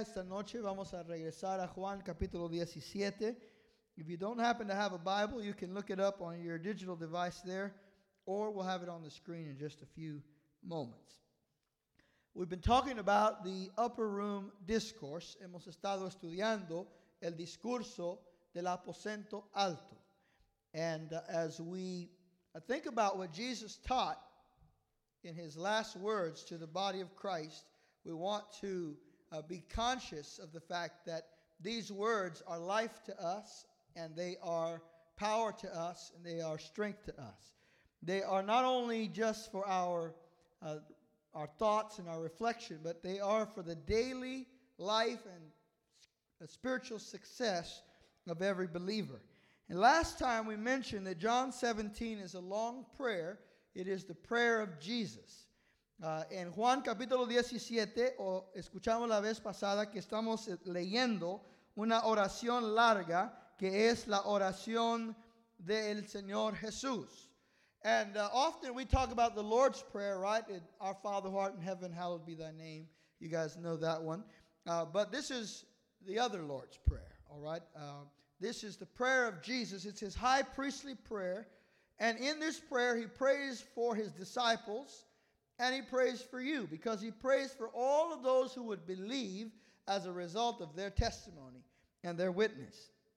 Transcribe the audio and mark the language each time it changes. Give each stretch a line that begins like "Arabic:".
Spanish: Esta noche vamos a regresar a Juan capítulo 17.
English: If you don't happen to have a Bible, you can look it up on your digital device there, or we'll have it on the screen in just a few moments. We've been talking about the upper room discourse.
Spanish: Hemos estado estudiando el discurso del aposento alto.
English: And as we think about what Jesus taught in his last words to the body of Christ, we want to be conscious of the fact that these words are life to us, and they are power to us, and they are strength to us. They are not only just for our thoughts and our reflection, but they are for the daily life and spiritual success of every believer. And last time we mentioned that John 17 is a long prayer. It is the prayer of Jesus.
Spanish: En Juan capítulo 17, escuchamos la vez pasada que estamos leyendo una oración larga que es la oración del Señor Jesús.
English: And often we talk about the Lord's Prayer, right? Our Father who art in heaven, hallowed be thy name. You guys know that one. But this is the other Lord's Prayer, all right? This is the prayer of Jesus. It's his high priestly prayer. And in this prayer, he prays for his disciples and he prays for you because he prays for all of those who would believe as a result of their testimony and their witness.